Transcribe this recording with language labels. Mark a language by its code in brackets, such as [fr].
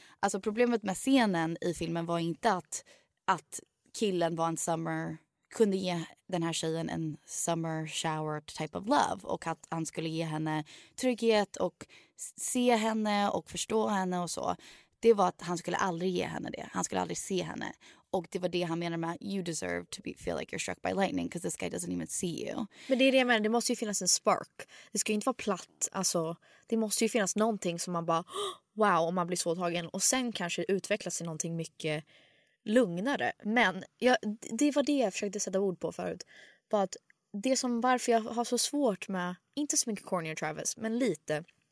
[sv] Alltså problemet med scenen i filmen var inte att killen var en summer, kunde ge den här tjejen en summer shower [en] type of love. [sv] Och att han skulle ge henne trygghet och se henne och förstå henne och så. Det var att han skulle aldrig ge henne det. Han skulle aldrig se henne. Och det var det han menade med, [en] you deserve to be, feel like you're struck by lightning because this guy doesn't even see you. [sv] Men det är det jag menar, det måste ju finnas en spark. Det ska ju inte vara platt, alltså. Det måste ju finnas någonting som man bara, [en] oh, wow, [sv] om man blir så tagen. Och sen kanske utvecklas till någonting mycket lugnare. Men det var det jag försökte sätta ord på förut. Bara att det som varför jag har så svårt med, inte så mycket Courtney och Travis, men lite.